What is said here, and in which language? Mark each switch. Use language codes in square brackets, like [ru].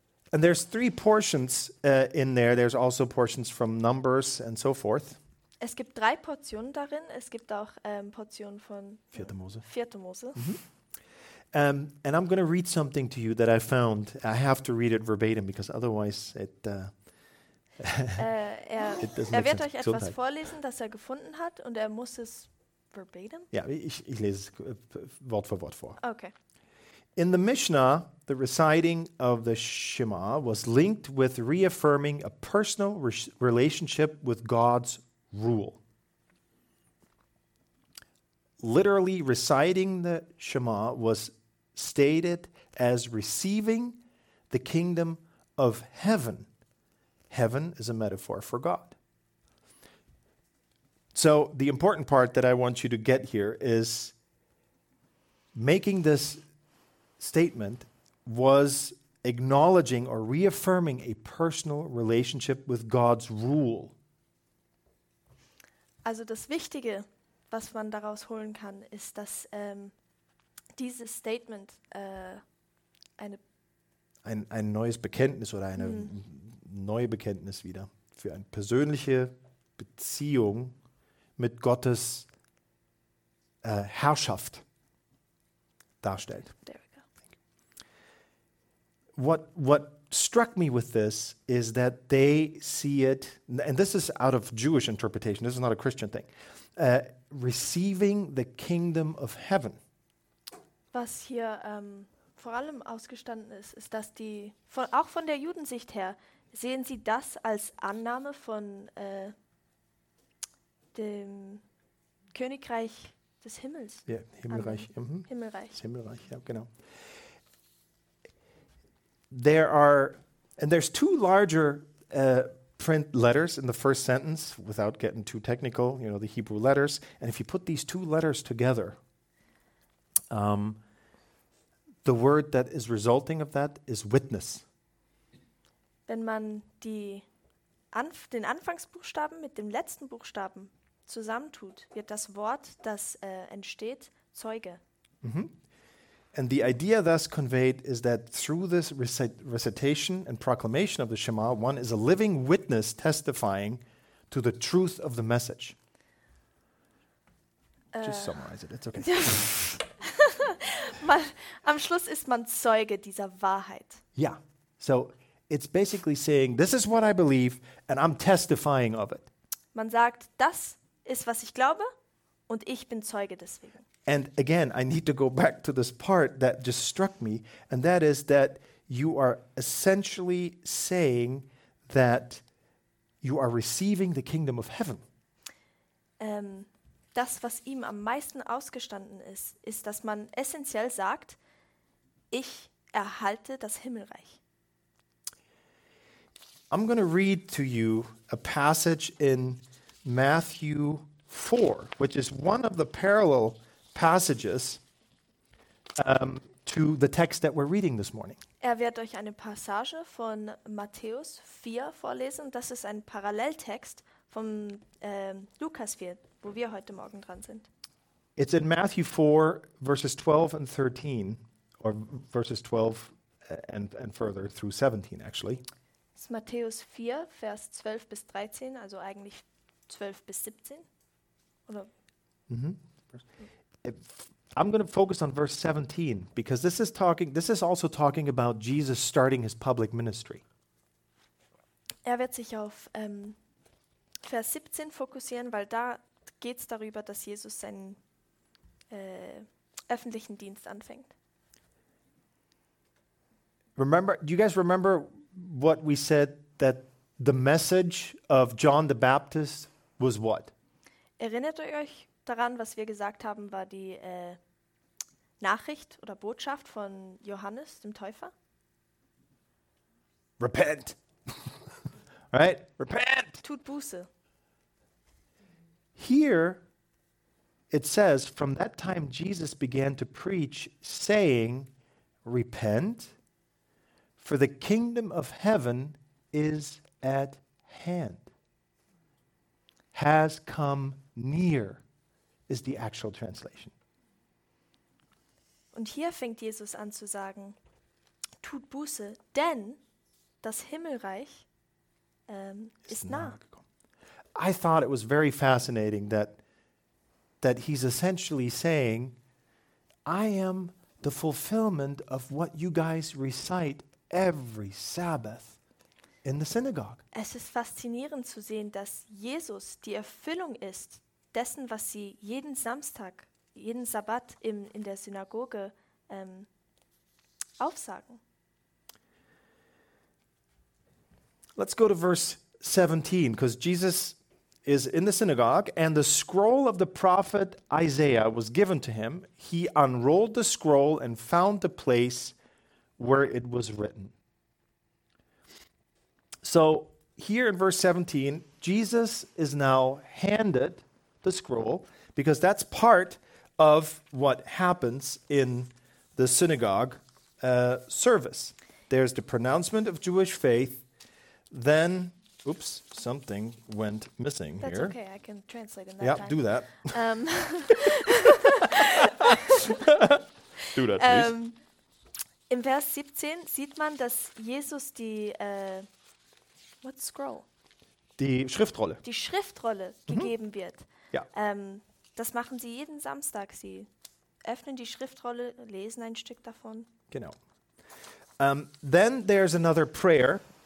[en] And there's three portions in there. There's also portions from Numbers and so forth. [de] Es gibt drei Portionen darin. Es gibt auch Portionen von 4. Mose. 4. Mose. Mm-hmm. [en] And I'm going to read something to you that I found. I have to read it verbatim because otherwise it it doesn't [de] er wird euch etwas Gesundheit. Vorlesen, das er gefunden hat, und er muss es verbatim. Ja, ich lese es Wort für Wort vor. Okay. [en] In the Mishnah, the reciting of the Shema was linked with reaffirming a personal relationship with God's rule. Literally, reciting the Shema was stated as receiving the kingdom of heaven. Heaven is a metaphor for God. So the important part that I want you to get here is making this statement was acknowledging or reaffirming a personal relationship with God's rule. [de] Also das Wichtige, was man daraus holen kann, ist, dass dieses Statement ein neues Bekenntnis oder eine neue Bekenntnis wieder für eine persönliche Beziehung mit Gottes Herrschaft darstellt. [en] What struck me with this is that they see it, and this is out of Jewish interpretation, this is not a Christian thing, receiving the kingdom of heaven. [de] Was hier vor allem ausgestanden ist, ist, dass die, von, auch von der Judensicht her, sehen sie das als Annahme von dem Königreich des Himmels. Ja, Himmelreich. Himmelreich. Das Himmelreich, ja, genau. [en] There are, and there's two larger print letters in the first sentence, without getting too technical, you know, the Hebrew letters. And if you put these two letters together, the word that is resulting of that is witness. [de] Wenn man die den Anfangsbuchstaben mit dem letzten Buchstaben zusammentut, wird das Wort, das entsteht, Zeuge. Mm-hmm. [en] And the idea thus conveyed is that through this recitation and proclamation of the Shema, one is a living witness testifying to the truth of the message. Just summarize it, it's okay. [de] Am Schluss ist man Zeuge dieser Wahrheit. [en] Yeah, so it's basically saying, this is what I believe and I'm testifying of it. [de] Man sagt, das ist, was ich glaube und ich bin Zeuge deswegen. [en] And again, I need to go back to this part that just struck me, and that is that you are essentially saying that you are receiving the kingdom of heaven. [de] Das, was ihm am meisten ausgestanden ist, ist, dass man essentiell sagt, ich erhalte das Himmelreich. [en] I'm going to read to you a passage in Matthew 4, which is one of the parallel passages to the text that we're reading this morning. [de] Er wird euch eine Passage von Matthäus 4 vorlesen. Das ist ein Paralleltext vom Lukas 4, wo wir heute Morgen dran sind. [en] It's in Matthew 4, verses 12 and 13, or verses 12 and further through 17, actually. [de] It's Matthäus 4, Vers 12 bis 13, also eigentlich 12 bis 17, oder? [en] I'm going to focus on verse 17, because this is also talking about Jesus starting his public ministry. [de] Er wird sich auf Vers 17 fokussieren, weil da geht es darüber, dass Jesus seinen öffentlichen Dienst anfängt. [en] Remember, do you guys remember what we said, that the message of John the Baptist was what? [de] Erinnert ihr euch daran, was wir gesagt haben, war die Nachricht oder Botschaft von Johannes, dem Täufer? [en] Repent! Right? Repent! [de] Tut Buße. [en] Here, it says, from that time Jesus began to preach, saying, repent, for the kingdom of heaven is at hand. Has come near, is the actual translation. [de] Und hier fängt Jesus an zu sagen, tut Buße, denn das Himmelreich ist nah. [en] I thought it was very fascinating that he's essentially saying, I am the fulfillment of what you guys recite every Sabbath in the synagogue. [de] Es ist faszinierend zu sehen, dass Jesus die Erfüllung ist dessen, was sie jeden Samstag, jeden Sabbat in der Synagoge aufsagen. [en] Let's go to verse 17, because Jesus is in the synagogue, and the scroll of the prophet Isaiah was given to him. He unrolled the scroll and found the place where it was written. So here in verse 17, Jesus is now handed the scroll, because that's part of what happens in the synagogue service. There's the pronouncement of Jewish faith, then... Oops, something went missing. That's here. That's okay, I can translate in that Yeah, do that. do that, please. [de] Im Vers 17 sieht man, dass Jesus die, [en] what scroll? [de] Die Schriftrolle. Die Schriftrolle gegeben wird. Ja. Das machen sie jeden Samstag. Sie öffnen die Schriftrolle, lesen ein Stück davon. Genau. [en] Then there's another prayer.